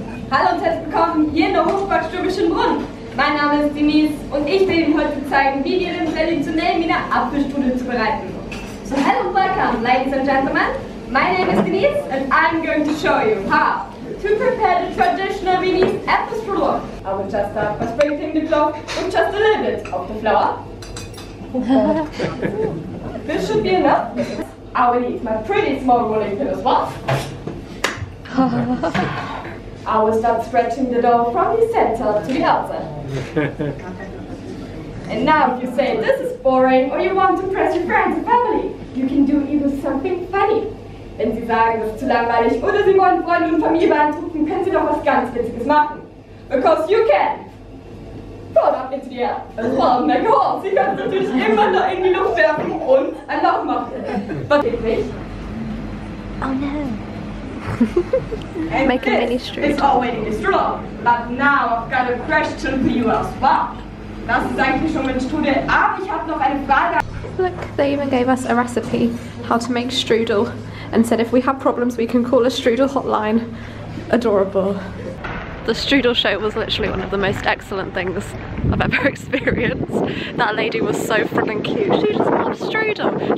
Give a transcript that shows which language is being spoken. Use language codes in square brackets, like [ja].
[de] Hallo und herzlich willkommen hier in der Hofbackstube Schonbrunn. Mein Name ist Denise und ich will Ihnen heute zeigen, wie wir den traditionellen Wiener Apfelstrudel zubereiten. [en] So hello and welcome, ladies and gentlemen. My name is Denise and I'm going to show you how to prepare the traditional Viennese apple strudel. I will just start by sprinkling the cloth with just a little bit of the flour. This should be enough. I will need my pretty small rolling pin as well. I will start stretching the dough from the center to the outside. And now if you say this is boring or you want to impress your friends and family, you can do even something funny. [de] Wenn Sie sagen, das ist zu langweilig oder Sie wollen Freunde und Familie beeindrucken, können Sie doch was ganz Witziges machen. [en] Because you can! Oh no. And make a mini strudel. It's already a strudel. But now I've got a question for you as well. [de] Das ist eigentlich schon mein Strudel, aber ich habe noch eine Frage. [en] Look, they even gave us a recipe how to make strudel and said if we have problems we can call a strudel hotline. Adorable. The strudel show was literally one of the most excellent things I've ever experienced. That lady was so frigging cute. She just loves strudel.